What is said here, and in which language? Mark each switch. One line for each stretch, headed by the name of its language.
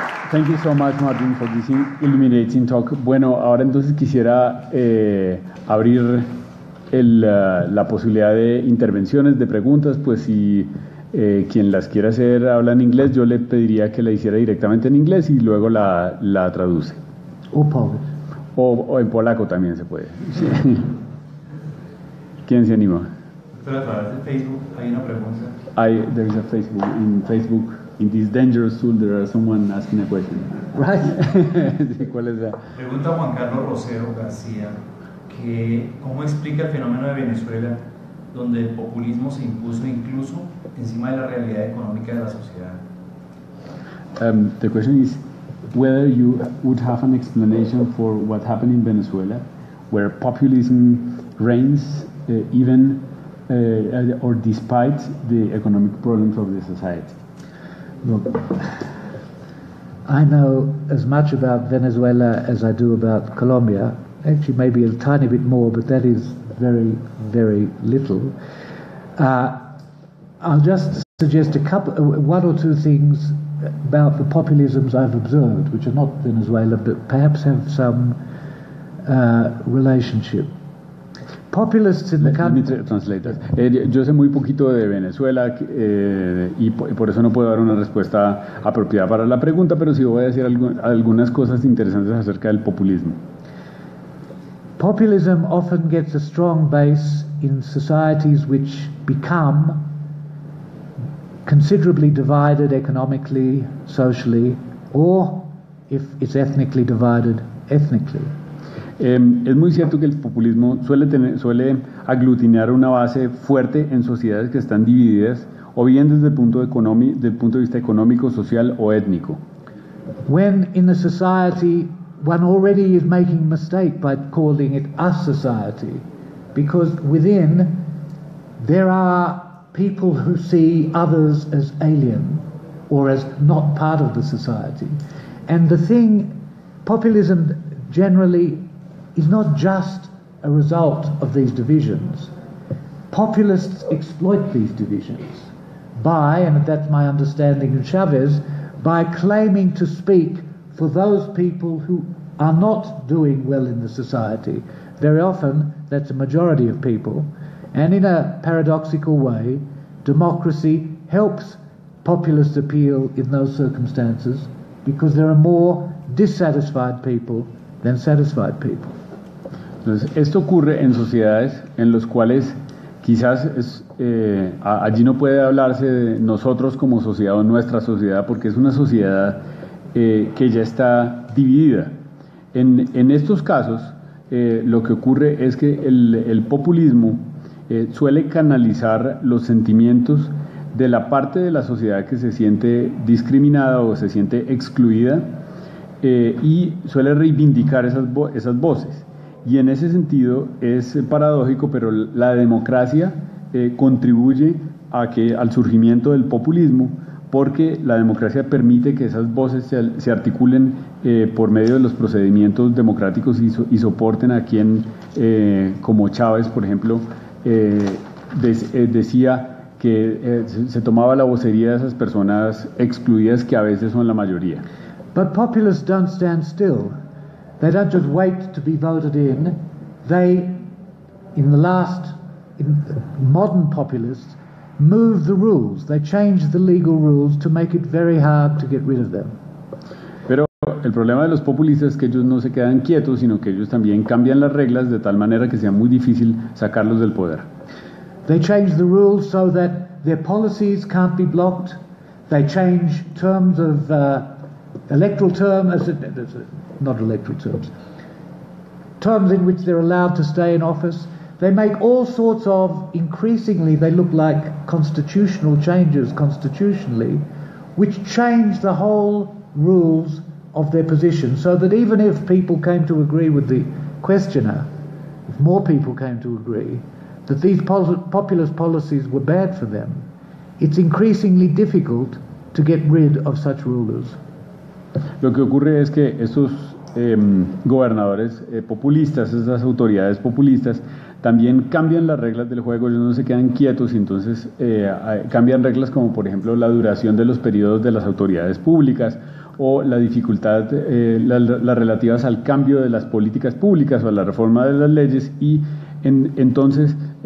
English: Thank you so much, Martin, for this illuminating talk.
Spanish: Bueno, ahora entonces quisiera abrir la posibilidad de intervenciones, de preguntas, pues si quien las quiera hacer habla en inglés, yo le pediría que la hiciera directamente en inglés y luego la traduce. O polaco. O en polaco también se puede. Sí. ¿Quién se anima? A través de Facebook hay una pregunta.
English: There is a Facebook. In Facebook, in this dangerous tool, there are someone asking a question. Right.
Spanish: Sí, ¿cuál es la? Pregunta Juan Carlos Rosero García. ¿Cómo explica el fenómeno de Venezuela, donde el populismo se impuso incluso encima de la realidad económica de la sociedad?
English: The question is whether you would have an explanation for what happened in Venezuela, where populism reigns or despite the economic problems of the society. Look, I know as much about Venezuela as I do about Colombia. Actually, maybe a tiny bit more, but that is very, very little. I'll just suggest one or two things about the populisms I've observed, which are not Venezuela, but perhaps have some relationship. Populists in the country. Let me translate that.
Spanish: Yo sé muy poquito de Venezuela y por eso no puedo dar una respuesta apropiada para la pregunta, pero sí voy a decir algunas cosas interesantes acerca del populismo.
English: Populism often gets a strong base in societies which become considerably divided economically, socially, or if it's ethnically divided, ethnically.
Spanish: Es muy cierto que el populismo suele aglutinar una base fuerte en sociedades que están divididas, o bien desde el punto de vista económico, social o étnico.
English: When in a society one already is making a mistake by calling it a society, because within there are people who see others as alien or as not part of the society. And the thing, populism generally is not just a result of these divisions. Populists exploit these divisions by, and that's my understanding of Chavez, by claiming to speak for those people who are not doing well in the society. Very often, that's a majority of people. And in a paradoxical way, democracy helps populist appeal in those circumstances because there are more dissatisfied people than satisfied people.
Spanish: Entonces, esto ocurre en sociedades en las cuales quizás allí no puede hablarse de nosotros como sociedad o nuestra sociedad porque es una sociedad que ya está dividida. En estos casos, lo que ocurre es que el populismo suele canalizar los sentimientos de la parte de la sociedad que se siente discriminada o se siente excluida y suele reivindicar esas voces. Y en ese sentido es paradójico, pero la democracia contribuye al surgimiento del populismo porque la democracia permite que esas voces se articulen por medio de los procedimientos democráticos y soporten a quien, como Chávez, por ejemplo, decía que se tomaba la vocería de esas personas excluidas que a veces son la mayoría.
English: But populists don't stand still. They don't just wait to be voted in. They, in modern populists, move the rules. They change the legal rules to make it very hard to get rid of them.
Spanish: Pero el problema de los populistas es que ellos no se quedan quietos, sino que ellos también cambian las reglas de tal manera que sea muy difícil sacarlos del poder.
English: They change the rules so that their policies can't be blocked. They change terms of electoral terms, not electoral terms, terms in which they're allowed to stay in office. They make all sorts of, increasingly, they look like constitutional changes constitutionally, which change the whole rules of their position, so that even if people came to agree with the questioner, if more people came to agree that these populist policies were bad for them, it's increasingly difficult to get rid of such rulers.
Spanish: Lo que ocurre es que estos gobernadores populistas, esas autoridades populistas, también cambian las reglas del juego, ellos no se quedan quietos, y entonces cambian reglas como, por ejemplo, la duración de los periodos de las autoridades públicas, o la dificultad, las relativas al cambio de las políticas públicas o a la reforma de las leyes, y entonces,